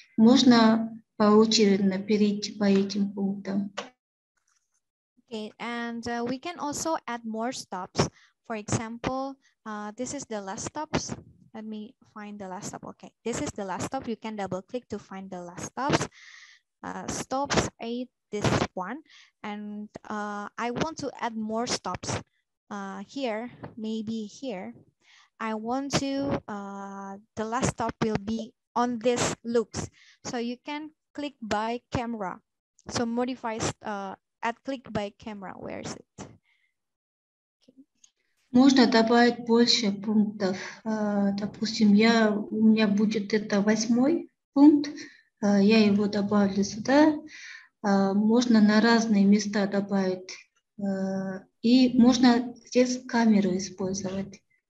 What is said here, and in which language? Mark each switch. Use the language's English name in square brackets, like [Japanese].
[Russian] Можно поочередно перейти по этим пунктам. [English] Okay, and we can also add more stops. For example, this is the last stops. Let me find the last stop. Okay, this is the last stop. You can double click to find the last stops. Stops 8, this one. And I want to add more stops here, maybe here. I want to, the last stop will be on this loops. So you can click by camera. So modifies at click by camera, where is it? [Russian] Можно добавить больше пунктов. Допустим, у меня будет это восьмой пункт. Я его добавлю сюда. Можно на разные места добавить. И можно здесь камеру использовать.